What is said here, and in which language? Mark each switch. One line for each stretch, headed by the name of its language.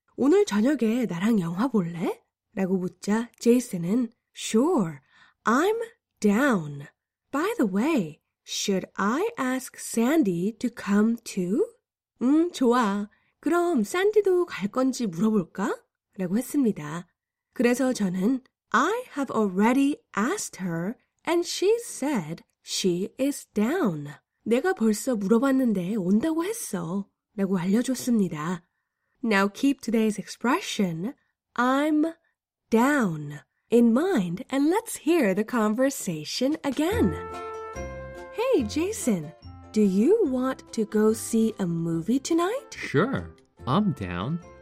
Korean: 오늘 저녁에 나랑 영화 볼래? 라고 묻자 제이슨은
English: Sure, I'm down. By the way, should I ask Sandy to come too?
Korean: 좋아. 그럼 샌디도 갈 건지 물어볼까? 라고 했습니다. 그래서 저는
English: I have already asked her and she said she is down.
Korean: 내가 벌써 물어봤는데 온다고 했어. 라고 알려줬습니다.
English: Now keep today's expression, I'm down, in mind and let's hear the conversation again. Hey, Jason, do you want to go see a movie tonight? Sure, I'm down.